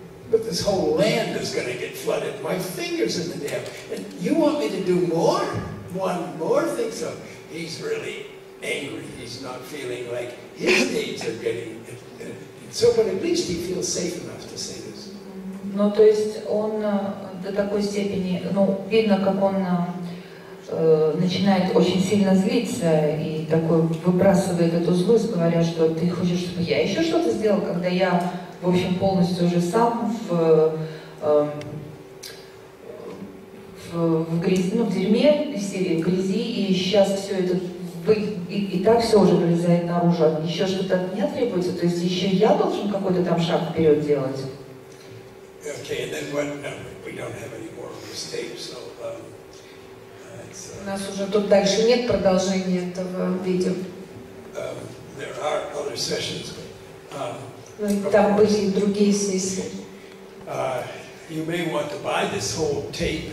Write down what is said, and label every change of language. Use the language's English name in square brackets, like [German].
[English] This whole land is going to get flooded. My finger's in the dam, and you want me to do more? One more thing? So he's really angry. He's not feeling like his needs are getting. So, but at least he feels safe enough to say this. [Russian] Ну, то есть он до такой степени, ну, видно, как он начинает очень сильно злиться и такой выбрасывает эту злость, говоря, что ты хочешь, чтобы я еще что-то сделал, когда я, в общем, полностью уже сам в грязи, ну, в дерьме, в грязи, и сейчас все это, и так все уже вылезает наружу, а еще что-то от меня требуется, то есть еще я должен какой-то там шаг вперед делать. [English] Okay, and then what? No, we don't have any more of this tape, so it's. [Russian] У нас уже тут дальше нет продолжения этого видео. [English] There are other sessions [Russian] Там были и другие сессии. [English] You may want to buy this whole tape.